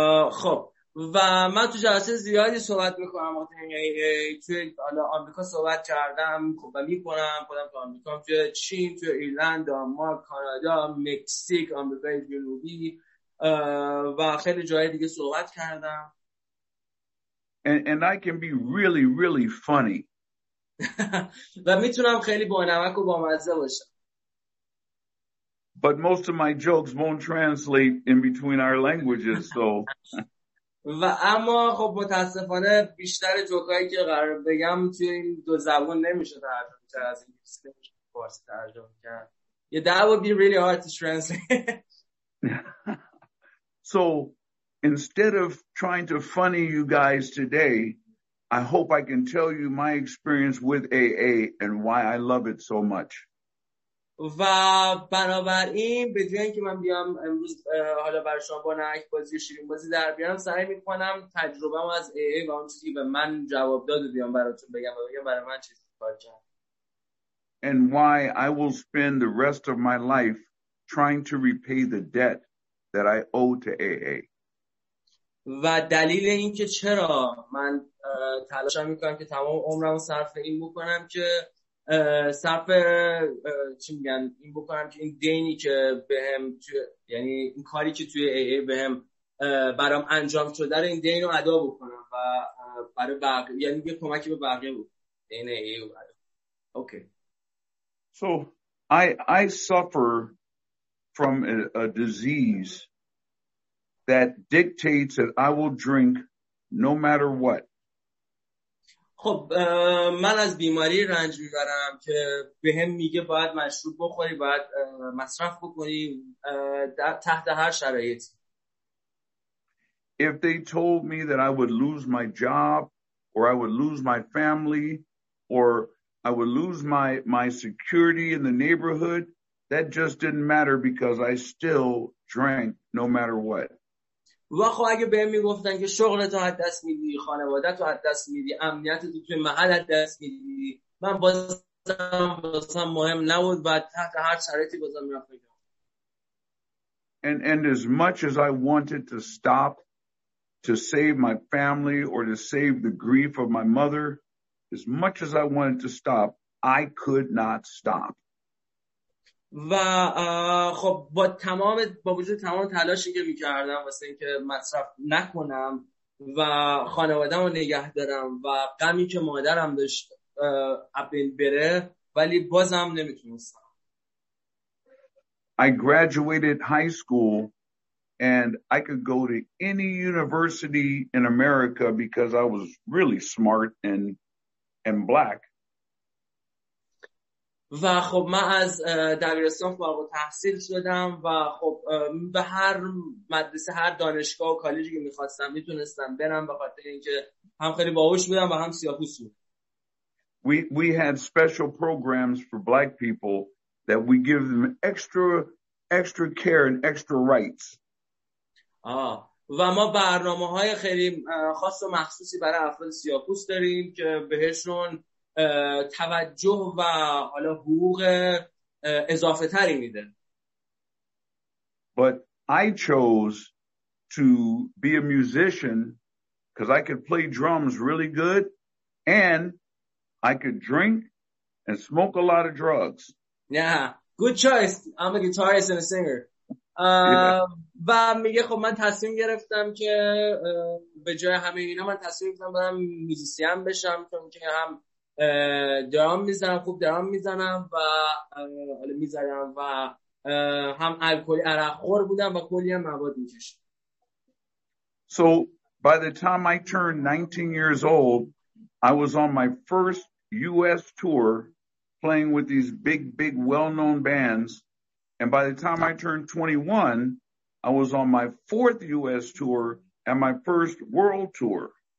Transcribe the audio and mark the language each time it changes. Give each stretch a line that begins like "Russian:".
Persian: خب و من تو جلسه زیادی صحبت میکنم وقتی اینکه توی آمریکا صحبت کردم خب میکنم خودم تو آمریکا توی چین توی ایرلند دانمارک کانادا مکزیک آمریکای جنوبی و خیلی جای دیگه صحبت کردم.
English: And I can be really really funny.
Persian: و میتونم خیلی بانمک و بامزه باشم.
English: But most of my jokes won't translate in between our languages, so.
Persian: و اما خب متاسفانه بیشتر جوکایی که قرار بگم توی این دو زبان نمیشه ترجمه کرد از انگلیسی به فارسی ترجمه کرد.
English: Yeah, that would be really hard to translate. So instead of trying to funny you guys today, I hope I can tell you my experience with AA and why I love it so much.
Persian: و بنابراین به جای اینکه من بیام امروز حالا برای شما با نک بازی و شیرین بازی در بیارم سعی میکنم تجربه ما از AA و اون چیزی به من جواب داد و بیام براتون بگم و بگم برای من چیزی کار کرد.
English: And why I will spend the rest of my life trying to repay the debt that I owe to AA.
Persian: و دلیل این که چرا من تلاش میکنم که تمام عمرم صرف این بکنم که صرف چی میگن این بکنم که این دینی که بهم یعنی این کاری که توی AA بهم برام انجام شده رو این دین رو ادا بکنم و برای بقیه یعنی یه کمکی به بقیه بود دین AA رو ادا.
English: Okay. So I suffer from a disease that dictates that I will drink no matter what.
Persian: خب من از بیماری رنج می‌برم که بهم میگه باید مشروب بخوری باید مصرف بکنی تحت هر شرایطی.
English: If they told me that I would lose my job or I would lose my family or I would lose my security in the neighborhood, that just didn't matter because I still drank no matter what.
Persian: و خب اگه بهم میگفتن که شغلتو از دست میدی، خانوادتو از دست میدی، امنیتتو توی محل از دست میدی، من بازم مهم نبود و تحت هر شرایطی بازم میافتم.
English: And as much as I wanted to stop to save my family or to save the grief of my mother, as much as I wanted to stop, I could not stop.
Persian: و خب با وجود تمام تلاشی که می‌کردم واسه اینکه مصرف نکنم و خانواده‌مو نگه دارم و غمی که مادرم داشت ابین بره ولی بازم نمی‌تونستم.
English: I graduated high school and I could go to any university in America because I was really smart and black.
Persian: و خب من از دبیرستان فارغ التحصیل شدم و خب به هر مدرسه هر دانشگاه و کالجی که می‌خواستم میتونستم برم به خاطر اینکه هم خیلی باهوش بودم و هم سیاه‌پوست بودم.
English: We had special programs for black people that we give them extra care and extra rights.
Persian: و ما برنامه‌های خیلی خاص و مخصوصی برای افراد سیاه‌پوست داریم که بهشون توجه و حالا حقوق اضافه تری میده.
English: But I chose to be a musician because I could play drums really good and I could drink and smoke a lot of drugs. Yeah, good choice. I'm a guitarist and a singer.
Persian: و میگه خب من تصمیم گرفتم که به جای همه اینا من تصمیم گرفتم برم موزیسین بشم چون که هم درام میزنم خوب درام میزنم و حالا میزنم و هم الکلی عرق خور بودم و کلی هم مواد میکشم.
English: So by the time I turned 19 years old, I was on my first US tour playing with these big well-known bands. And by the time I turned 21, I was on my fourth US tour and my first world tour.